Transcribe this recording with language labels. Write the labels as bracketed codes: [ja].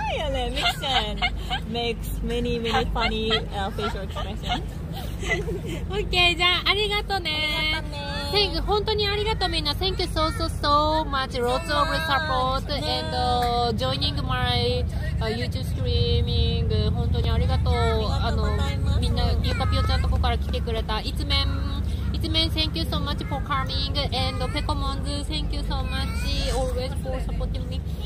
[en] Mixon makes many many funny facial expressions. Okay, [ja] じゃあありがとうね。 [en] Thank you, [ja] 本当にありがとうみんな。 [en] Thank you so so so much, lots of support and joining my YouTube streaming. [ja] 本当にありがとう。あのみんなゆかぴよちゃんとこから来てくれた。 [en] It's been thank you so much for coming and Pekomons, thank you so much always for supporting me.